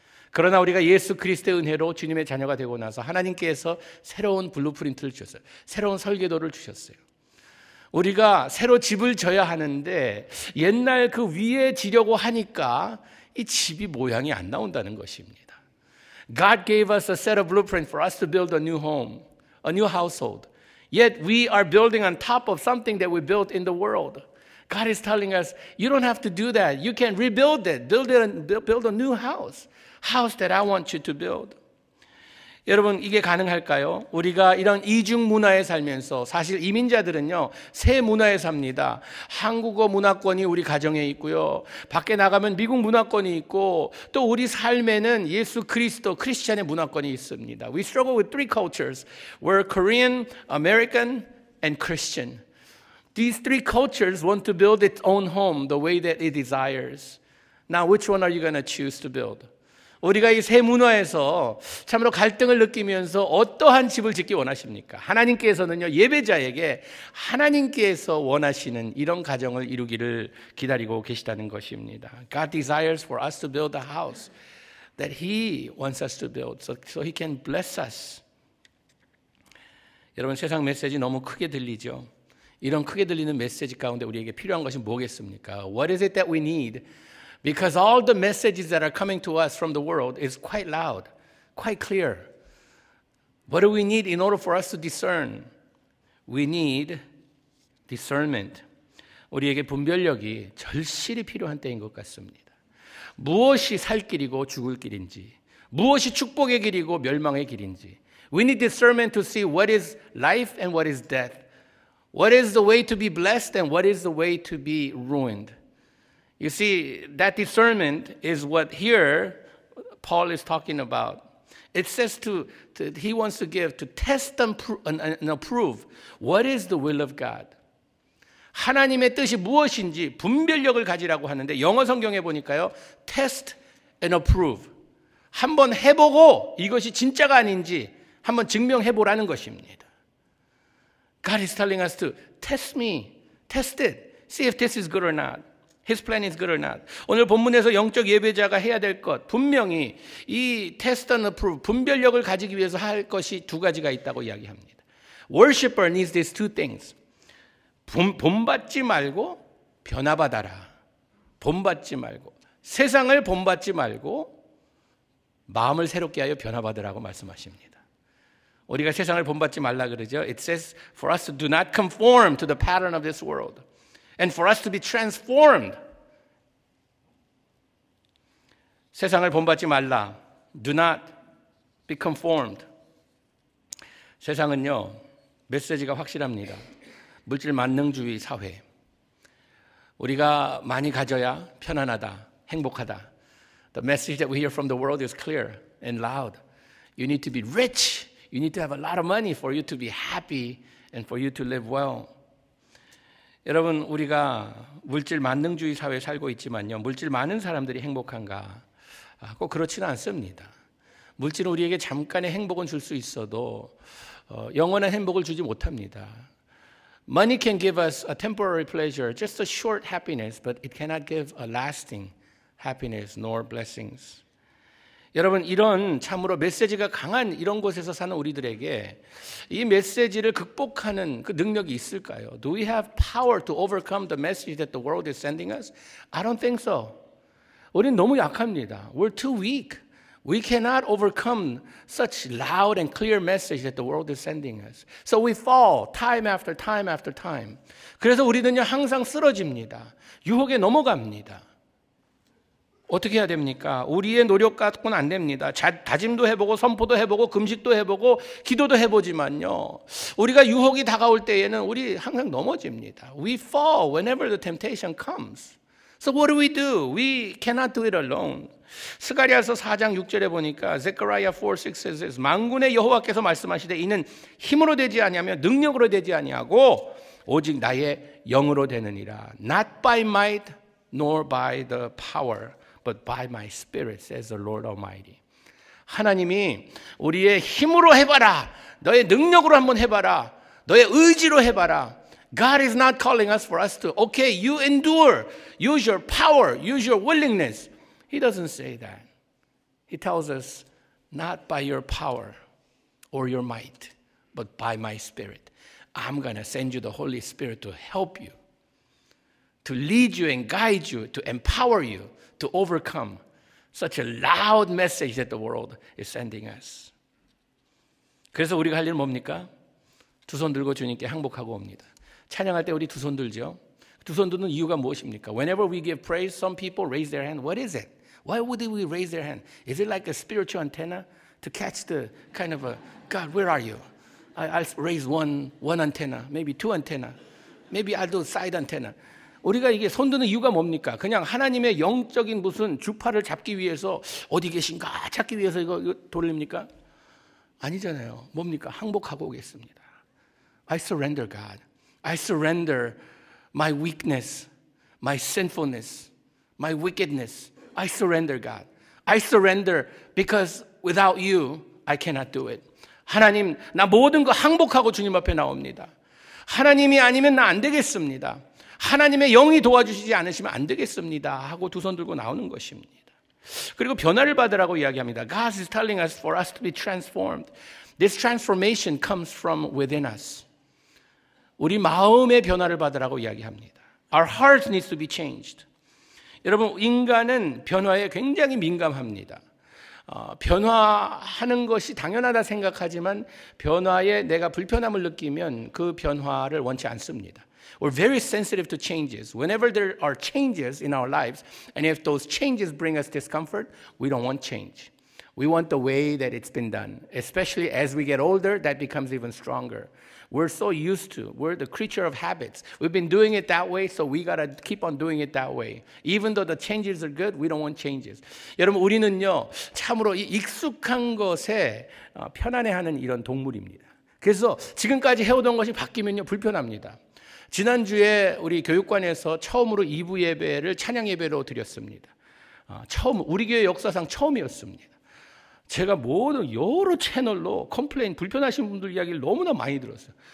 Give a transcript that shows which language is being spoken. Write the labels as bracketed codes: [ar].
[ko] 그러나 우리가 예수 그리스도의 은혜로 주님의 자녀가 되고 나서 하나님께서 새로운 블루프린트를 주셨어요. 새로운 설계도를 주셨어요. 우리가 새로 집을 져야 하는데 옛날 그 위에 지려고 하니까 이 집이 모양이 안 나온다는 것입니다. [en] God gave us a set of blueprints for us to build a new home, a new household. Yet we are building on top of something that we built in the world. God is telling us, you don't have to do that. You can rebuild it. Build it and build a new house. House that I want you to build. [ko] 여러분, 이게 가능할까요? 우리가 이런 이중 문화에 살면서, 사실 이민자들은요, 세 문화에 삽니다. 한국어 문화권이 우리 가정에 있고요. 밖에 나가면 미국 문화권이 있고, 또 우리 삶에는 예수 그리스도, 크리스찬의 문화권이 있습니다. [en] We struggle with three cultures. We're Korean, American, and Christian. These three cultures want to build its own home the way that it desires. Now, which one are you going to choose to build? [ko] 우리가 이 세 문화에서 참으로 갈등을 느끼면서 어떠한 집을 짓기 원하십니까? 하나님께서는요, 예배자에게 하나님께서 원하시는 이런 가정을 이루기를 기다리고 계시다는 것입니다. [en] God desires for us to build a house that He wants us to build so He can bless us. [ko] 여러분, 세상 메시지 너무 크게 들리죠? 이런 크게 들리는 메시지 가운데 우리에게 필요한 것이 뭐겠습니까? [en] What is it that we need? Because all the messages that are coming to us from the world is quite loud, quite clear. What do we need in order for us to discern? We need discernment. [ko] 우리에게 분별력이 절실히 필요한 때인 것 같습니다. 무엇이 살 길이고 죽을 길인지, 무엇이 축복의 길이고 멸망의 길인지. [en] We need discernment to see what is life and what is death. What is the way to be blessed and what is the way to be ruined. You see, that discernment is what here Paul is talking about. It says he wants to give, to test and approve what is the will of God. [ko] 하나님의 뜻이 무엇인지 분별력을 가지라고 하는데 영어 성경에 보니까요, [en] test and approve. [ko] 한번 해보고 이것이 진짜가 아닌지 한번 증명해보라는 것입니다. [en] God is telling us to test me, test it, see if this is good or not. His plan is good or not. [ko] 오늘 본문에서 영적 예배자가 해야 될 것, 분명히 이 [en] test and approve, [ko] 분별력을 가지기 위해서 할 것이 두 가지가 있다고 이야기합니다. [en] Worshipper needs these two things. [ko] 본받지 말고 변화받아라. 본받지 말고. 세상을 본받지 말고 마음을 새롭게 하여 변화받으라고 말씀하십니다. 우리가 세상을 본받지 말라 그러죠. [en] It says for us to do not conform to the pattern of this world. And for us to be transformed. [ko] 세상을 본받지 말라. [en] Do not be conformed. [ko] 세상은요, 메시지가 확실합니다. 물질 만능주의 사회. 우리가 많이 가져야 편안하다, 행복하다. [en] The message that we hear from the world is clear and loud. You need to be rich. You need to have a lot of money for you to be happy and for you to live well. [ko] 여러분, 우리가 물질 만능주의 사회에 살고 있지만요, 물질 많은 사람들이 행복한가? 꼭 그렇지는 않습니다. 물질은 우리에게 잠깐의 행복은 줄 수 있어도 영원한 행복을 주지 못합니다. [en] Money can give us a temporary pleasure, just a short happiness, but it cannot give a lasting happiness nor blessings. [ko] 여러분, 이런 참으로 메시지가 강한 이런 곳에서 사는 우리들에게 이 메시지를 극복하는 그 능력이 있을까요? [en] Do we have power to overcome the message that the world is sending us? I don't think so. [ko] 우리는 너무 약합니다. [en] We're too weak. We cannot overcome such loud and clear message that the world is sending us. So we fall time after time after time. [ko] 그래서 우리는요, 항상 쓰러집니다. 유혹에 넘어갑니다. 어떻게 해야 됩니까? 우리의 노력 갖고는 안 됩니다. 다짐도 해보고 선포도 해보고 금식도 해보고 기도도 해보지만요. 우리가 유혹이 다가올 때에는 우리 항상 넘어집니다. [en] We fall whenever the temptation comes. So what do? We cannot do it alone. [ko] 스가랴서 4장 6절에 보니까 [en] Zechariah 4:6 says, [ko] 만군의 여호와께서 말씀하시되 이는 힘으로 되지 아니하며 능력으로 되지 아니하고 오직 나의 영으로 되느니라. [en] Not by might nor by the power, but by my spirit, says the Lord Almighty. [ko] 하나님이 우리의 힘으로 해봐라. 너의 능력으로 한번 해봐라. 너의 의지로 해봐라. [en] God is not calling us for us to, okay, you endure, use your power, use your willingness. He doesn't say that. He tells us, not by your power or your might, but by my spirit. I'm going to send you the Holy Spirit to help you, to lead you and guide you, to empower you to overcome such a loud message that the world is sending us. [ko] 그래서 우리가 할 일은 뭡니까? 두 손 들고 주님께 항복하고 옵니다. 찬양할 때 우리 두 손 들죠? 두 손 드는 이유가 무엇입니까? [en] Whenever we give praise, some people raise their hand. What is it? Why would we raise their hand? Is it like a spiritual antenna to catch the kind of a, God, where are you? I'll raise one antenna, maybe two antenna. Maybe I'll do side antenna. [ko] 우리가 이게 손 드는 이유가 뭡니까? 그냥 하나님의 영적인 무슨 주파를 잡기 위해서 어디 계신가 찾기 위해서 이거 돌립니까? 아니잖아요. 뭡니까? 항복하고 오겠습니다. [en] I surrender, God. I surrender my weakness, my sinfulness, my wickedness. I surrender, God. I surrender because without you, I cannot do it. [ko] 하나님, 나 모든 거 항복하고 주님 앞에 나옵니다. 하나님이 아니면 나 안 되겠습니다. 하나님의 영이 도와주시지 않으시면 안 되겠습니다. 하고 두 손 들고 나오는 것입니다. 그리고 변화를 받으라고 이야기합니다. [en] God is telling us for us to be transformed. This transformation comes from within us. [ko] 우리 마음의 변화를 받으라고 이야기합니다. [en] Our heart needs to be changed. [ko] 여러분, 인간은 변화에 굉장히 민감합니다. 변화하는 것이 당연하다 생각하지만 변화에 내가 불편함을 느끼면 그 변화를 원치 않습니다. [en] We're very sensitive to changes. Whenever there are changes in our lives, and if those changes bring us discomfort, we don't want change. We want the way that it's been done. Especially as we get older, that becomes even stronger. We're so used to. We're the creature of habits. We've been doing it that way, so we gotta keep on doing it that way. Even though the changes are good, we don't want changes. [ko] 여러분, 우리는요, 참으로 이 익숙한 것에 편안해하는 이런 동물입니다. 그래서 지금까지 해오던 것이 바뀌면요, 불편합니다. 지난주에 우리 교육관에서 처음으로 2부 예배를 찬양 예배로 드렸습니다. 처음, 우리 교회 역사상 처음이었습니다. 제가 모든 여러 채널로 컴플레인, 불편하신 분들 이야기를 너무나 많이 들었어요.